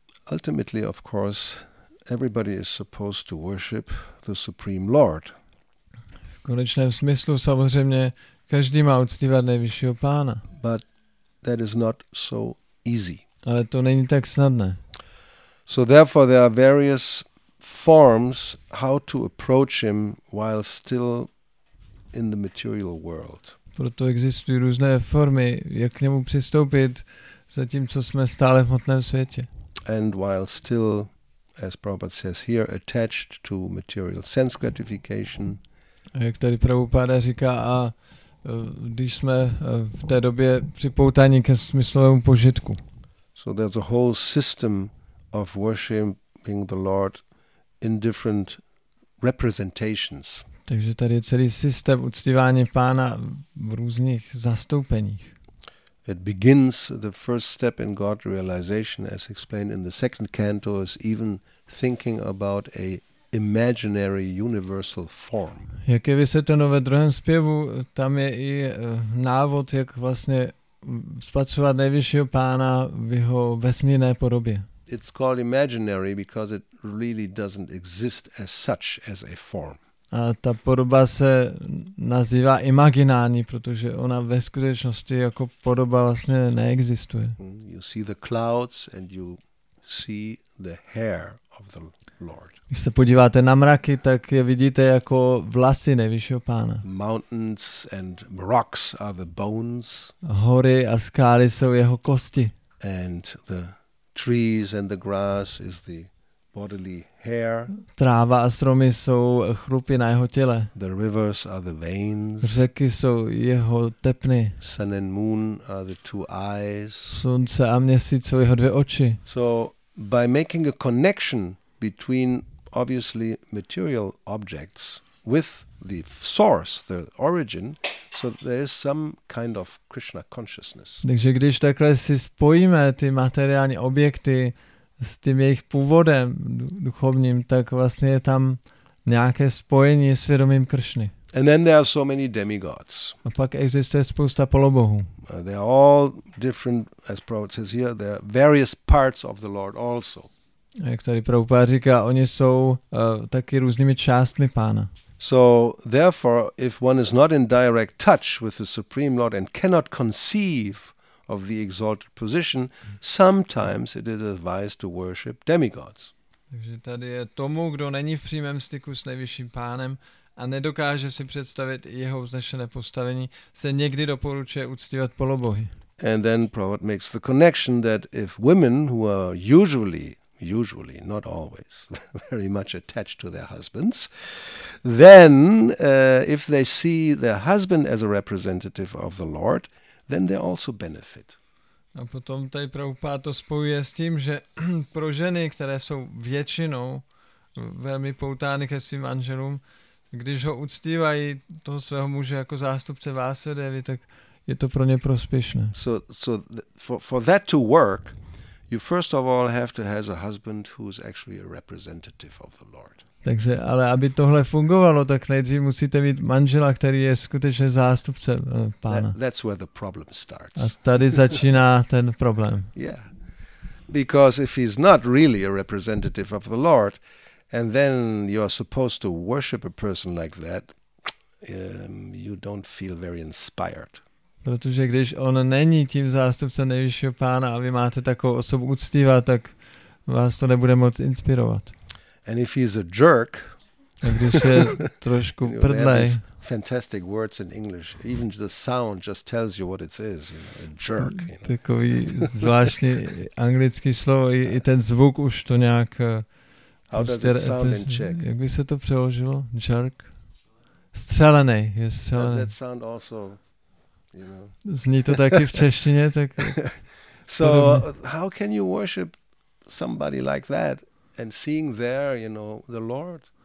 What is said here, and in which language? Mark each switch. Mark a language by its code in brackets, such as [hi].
[en] Ultimately, of course, everybody is supposed to worship the Supreme Lord. [cs] V konečném smyslu samozřejmě každý má uctívat nejvyššího pána. [en] But that is not so easy. [cs] Ale to není tak snadné. [en] So therefore there are various forms how to approach him while still in the material world. [cs] Proto existují různé formy, jak k němu přistoupit, zatímco jsme stále v hmotném světě. [en] And while still, as Prabhupada says here, attached to material sense gratification. [cs] A jak tady Prabhupada říká, a když jsme v té době připoutáni ke smyslovému požitku. [en] So there's a whole system of worshiping the Lord in different representations. [cs] Takže tady je celý systém uctívání pána v různých zastoupeních. [en] It begins, the first step in God realization, as explained in the second canto, is even thinking about a imaginary universal form. [cs] Jak je vysvětleno ve druhém zpěvu, tam je i návod, jak vlastně spatřovat nejvyššího pána v jeho vesmírné podobě. [en] It's called imaginary because it really doesn't exist as such as a form. [cs] A ta podoba se nazývá imaginární, protože ona ve skutečnosti jako podoba vlastně neexistuje. [en] You see the clouds and you see the hair of the Lord. [cs] Když se podíváte na mraky, tak je vidíte jako vlasy nejvyššího pána. [en] Mountains and rocks are the bones. [cs] Hory a skály jsou jeho kosti. [en] And the trees and the grass is the bodily hair. [cs] Tráva a stromy jsou chlupy na jeho těle. [en] The rivers are the veins. [cs] Řeky jsou jeho tepny. [en] Sun and moon are the two eyes. [cs] Slunce a měsíc jsou jeho dvě oči. [en] So by making a connection between obviously material objects with the source, the origin, so there is some kind of Krishna consciousness. [cs] Takže když takhle si spojíme ty materiální objekty s tím jejich původem duchovním, tak vlastně je tam nějaké spojení s vědomím Kršny. [en] And then there are so many demigods. [cs] A pak existuje spousta polobohů. [en] They are all different, as Prabhupada says here, there are various parts of the Lord also. [cs] A jak tady Prabhupada říká, oni jsou taky různými částmi pána. [en] So therefore, if one is not in direct touch with the Supreme Lord and cannot conceive of the exalted position, sometimes it is advised to worship demigods. [cs] Takže tady je tomu, kdo není v přímém styku s nejvyšším pánem a nedokáže si představit jeho vznešené postavení, se někdy doporučuje uctívat polobohy. [en] And then Prabhupada makes the connection that if women who are usually not always very much attached to their husbands, then if they see their husband as a representative of the Lord, then they also benefit. [cs] A potom tady Prabhupada to spojuje s tím, že pro ženy, které jsou většinou velmi poutány ke svým manželům, když ho uctívají toho svého muže jako zástupce Vásudevy, tak je to pro ně prospěšné. [en] So for that to work, you first of all have to have a husband who is actually a representative of the Lord. [cs] Takže ale aby tohle fungovalo, tak nejdřív musíte mít manžela, který je skutečně zástupce pána. [en] That's where the problem starts. [cs] A tady začíná ten problém. [en] Yeah. Because if he's not really a representative of the Lord, and then you're supposed to worship a person like that, you don't feel very inspired. [cs] Protože když on není tím zástupcem nejvyššího pána a vy máte takovou osobu uctívat, tak vás to nebude moc inspirovat. [en] And if he's a jerk, [cs] a když je trošku prdlej, [en] fantastic words in English, even the sound just tells you what it is, you know, a jerk. You know. [cs] Takový zvláštní anglický slovo, i ten zvuk už to nějak... [en] How does it sound in Czech? [cs] Jak by se to přeložilo? Jerk? Střelený, je střelený. [en] Does that sound also... You know. [cs] Zní to taky v češtině, tak. [en] So how can you worship somebody like that and seeing there, you know, the Lord?